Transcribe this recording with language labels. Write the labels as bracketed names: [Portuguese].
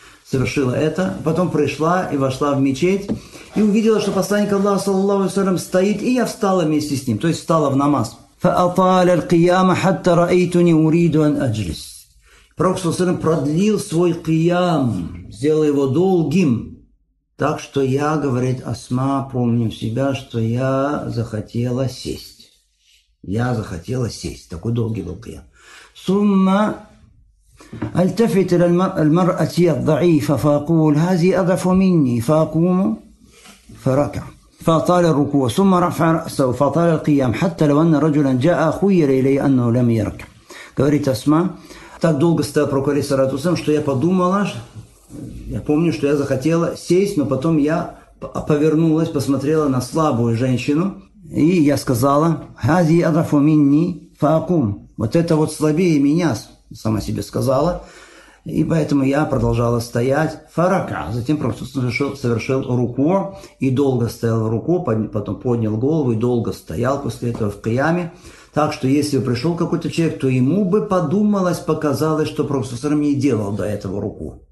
[Russian] совершила это, потом пришла и вошла в мечеть и увидела, что посланник Аллаха, саллаллаху алейхи ва саллям, стоит, и я встала вместе с ним, то есть встала в намаз. [Arabic] فأطال القيام حتى رأيت أني أريد أن أجلس. [Russian] Пророк саллаллаху алейхи ва саллям продлил свой киям, сделал его долгим, так что я, говорит Асма, помню себя, что я захотела сесть. Я захотела сесть, такой долгий был киям. [Arabic] Сумма التفت إلى المرأة الضعيفة فأقول هذه أضعف مني فأقوم فركع فأطال الركوع ثم رفع رأسه فأطال القيام حتى لو أن رجلا جاء خير إلي أنه لم يركع. [Russian] Говорит Асма, так долго стоял пророк алейхи саляту ва саллям, что я подумала, я помню, что я захотела сесть, но потом я повернулась, посмотрела на слабую женщину, и я сказала: [Arabic] هذه أضعف مني فأقوم. [Russian] Вот это вот слабее меня, сама себе сказала, и поэтому я продолжала стоять. Фарака, затем просто совершил руку и долго стоял в руку, потом поднял голову и долго стоял после этого в кияме. Так что если бы пришел какой-то человек, то ему бы подумалось, показалось, что профессор не делал до этого руку.